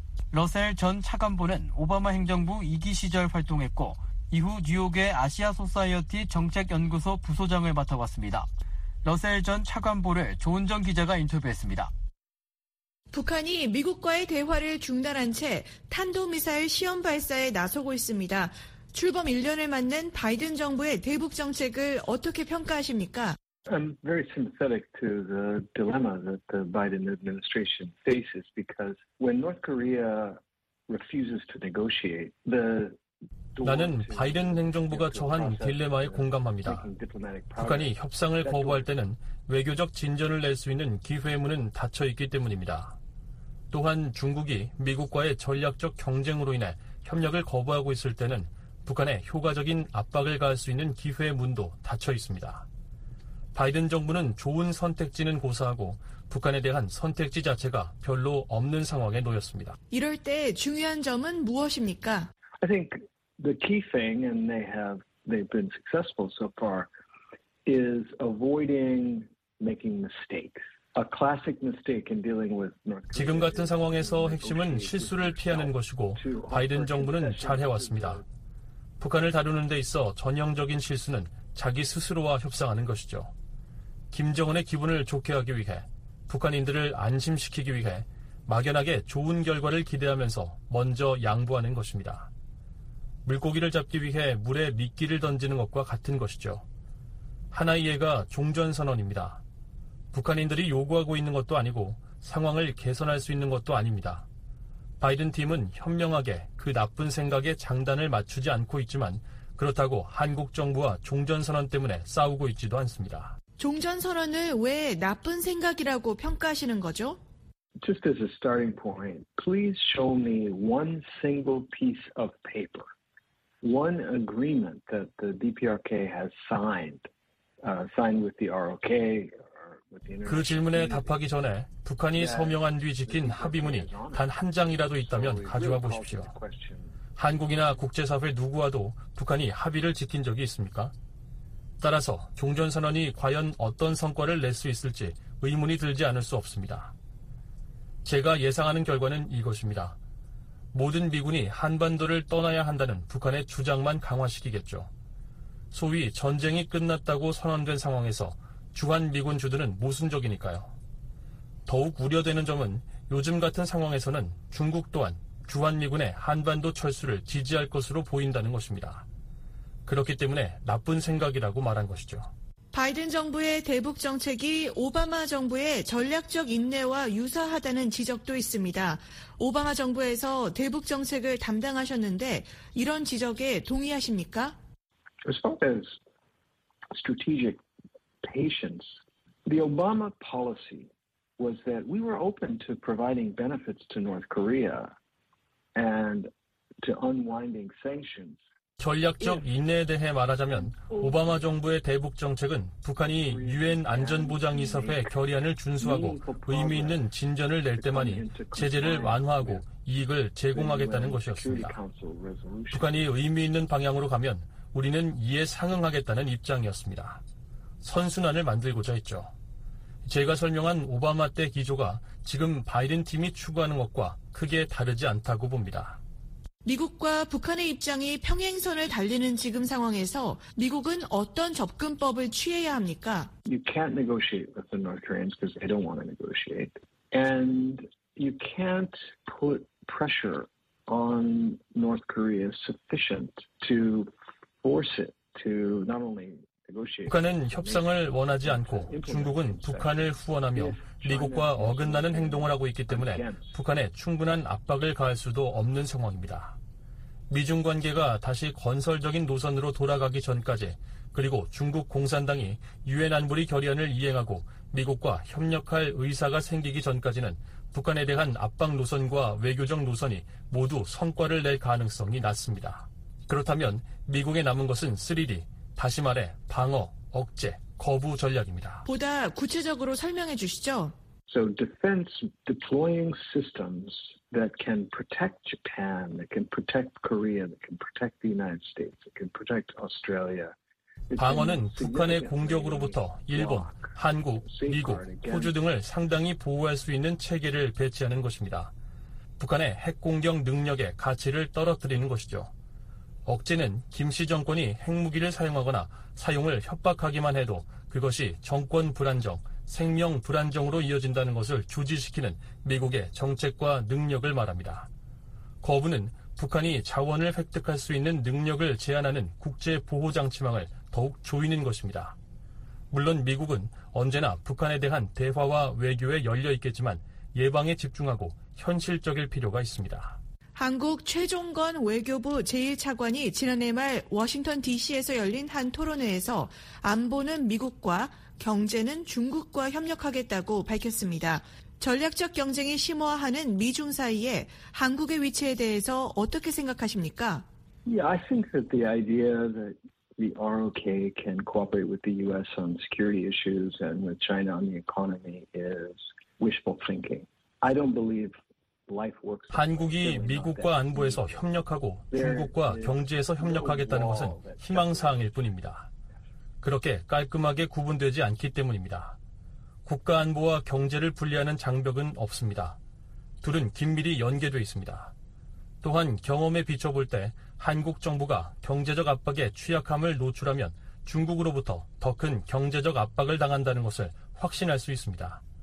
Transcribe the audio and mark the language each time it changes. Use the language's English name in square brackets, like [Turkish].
[Korean] 러셀 전 차관보는 오바마 행정부 2기 시절 활동했고 이후 뉴욕의 아시아 소사이어티 정책연구소 부소장을 맡아왔습니다. 러셀 전 차관보를 조은정 기자가 인터뷰했습니다. 북한이 미국과의 대화를 중단한 채 탄도미사일 시험 발사에 나서고 있습니다. 출범 1년을 맞는 바이든 정부의 대북 정책을 어떻게 평가하십니까? [English] I'm very sympathetic to the dilemma that the Biden administration faces because when North Korea refuses to negotiate, the [Korean] 나는 바이든 행정부가 처한 딜레마에 공감합니다. 북한이 협상을 거부할 때는 외교적 진전을 낼 수 있는 기회의 문은 닫혀 있기 때문입니다. 또한 중국이 미국과의 전략적 경쟁으로 인해 협력을 거부하고 있을 때는 북한에 효과적인 압박을 가할 수 있는 기회의 문도 닫혀 있습니다. 바이든 정부는 좋은 선택지는 고사하고 북한에 대한 선택지 자체가 별로 없는 상황에 놓였습니다. 이럴 때 중요한 점은 무엇입니까? [English] I think the key thing, and they've been successful so far, is avoiding making mistakes. A classic mistake in dealing with North Korea. [Korean] 지금 같은 상황에서 핵심은 실수를 피하는 것이고 바이든 정부는 잘 해왔습니다. 북한을 다루는 데 있어 전형적인 실수는 자기 스스로와 협상하는 것이죠. 김정은의 기분을 좋게 하기 위해, 북한인들을 안심시키기 위해 막연하게 좋은 결과를 기대하면서 먼저 양보하는 것입니다. 물고기를 잡기 위해 물에 미끼를 던지는 것과 같은 것이죠. 하나의 예가 종전선언입니다. 북한인들이 요구하고 있는 것도 아니고 상황을 개선할 수 있는 것도 아닙니다. 바이든 팀은 현명하게 그 나쁜 생각에 장단을 맞추지 않고 있지만 그렇다고 한국 정부와 종전선언 때문에 싸우고 있지도 않습니다. 종전선언을 왜 나쁜 생각이라고 평가하시는 거죠? [English] Just as a starting point, please show me one single piece of paper, one agreement that the DPRK has signed with the ROK. [Korean] 그 질문에 답하기 전에 북한이 서명한 뒤 지킨 합의문이 단 한 장이라도 있다면 가져와 보십시오. 한국이나 국제사회 누구와도 북한이 합의를 지킨 적이 있습니까? 따라서 종전선언이 과연 어떤 성과를 낼 수 있을지 의문이 들지 않을 수 없습니다. 제가 예상하는 결과는 이것입니다. 모든 미군이 한반도를 떠나야 한다는 북한의 주장만 강화시키겠죠. 소위 전쟁이 끝났다고 선언된 상황에서 주한미군 주둔은 모순적이니까요. 더욱 우려되는 점은 요즘 같은 상황에서는 중국 또한 주한미군의 한반도 철수를 지지할 것으로 보인다는 것입니다. 그렇기 때문에 나쁜 생각이라고 말한 것이죠. 바이든 정부의 대북 정책이 오바마 정부의 전략적 인내와 유사하다는 지적도 있습니다. 오바마 정부에서 대북 정책을 담당하셨는데 이런 지적에 동의하십니까? [English] As far as strategic patience, the Obama policy was that we were open to providing benefits to North Korea and to unwinding sanctions. [Korean] 전략적 인내에 대해 말하자면 오바마 정부의 대북 정책은 북한이 유엔 안전보장이사회 결의안을 준수하고 의미 있는 진전을 낼 때만이 제재를 완화하고 이익을 제공하겠다는 것이었습니다. 북한이 의미 있는 방향으로 가면 우리는 이에 상응하겠다는 입장이었습니다. 선순환을 만들고자 했죠. 제가 설명한 오바마 때 기조가 지금 바이든 팀이 추구하는 것과 크게 다르지 않다고 봅니다. 미국과 북한의 입장이 평행선을 달리는 지금 상황에서 미국은 어떤 접근법을 취해야 합니까? [English] You can't negotiate with the North Koreans because they don't want to negotiate. And you can't put pressure on North Korea sufficient to force it to not only [Korean] 북한은 협상을 원하지 않고 중국은 북한을 후원하며 미국과 어긋나는 행동을 하고 있기 때문에 북한에 충분한 압박을 가할 수도 없는 상황입니다. 미중 관계가 다시 건설적인 노선으로 돌아가기 전까지 그리고 중국 공산당이 유엔 안보리 결의안을 이행하고 미국과 협력할 의사가 생기기 전까지는 북한에 대한 압박 노선과 외교적 노선이 모두 성과를 낼 가능성이 낮습니다. 그렇다면 미국에 남은 것은 3D, 다시 말해 방어, 억제, 거부 전략입니다. 보다 구체적으로 설명해 주시죠. [English] So defense deploying systems that can protect Japan, that can protect Korea, that can protect the United States, that can protect Australia. [Korean] 방어는 북한의 공격으로부터 일본, 한국, 미국, 호주 등을 상당히 보호할 수 있는 체계를 배치하는 것입니다. 북한의 핵 공격 능력의 가치를 떨어뜨리는 것이죠. 억제는 김씨 정권이 핵무기를 사용하거나 사용을 협박하기만 해도 그것이 정권 불안정, 생명 불안정으로 이어진다는 것을 조지시키는 미국의 정책과 능력을 말합니다. 거부는 북한이 자원을 획득할 수 있는 능력을 제한하는 국제보호장치망을 더욱 조이는 것입니다. 물론 미국은 언제나 북한에 대한 대화와 외교에 열려있겠지만 예방에 집중하고 현실적일 필요가 있습니다. 한국 최종건 외교부 제1차관이 지난해 말 워싱턴 DC에서 열린 한 토론회에서 안보는 미국과 경제는 중국과 협력하겠다고 밝혔습니다. 전략적 경쟁이 심화하는 미중 사이에 한국의 위치에 대해서 어떻게 생각하십니까? [English] Yeah, I think that the idea that the ROK can cooperate with the US on security issues and with China on the economy is wishful thinking. I don't believe [Korean] 한국이 미국과 안보에서 협력하고 중국과 경제에서 협력하겠다는 것은 희망사항일 뿐입니다. 그렇게 깔끔하게 구분되지 않기 때문입니다. 국가 안보와 경제를 분리하는 장벽은 없습니다. 둘은 긴밀히 연계되어 있습니다. 또한 경험에 비춰볼 때 한국 정부가 경제적 압박에 취약함을 노출하면 중국으로부터 더 큰 경제적 압박을 당한다는 것을 확신할 수 있습니다.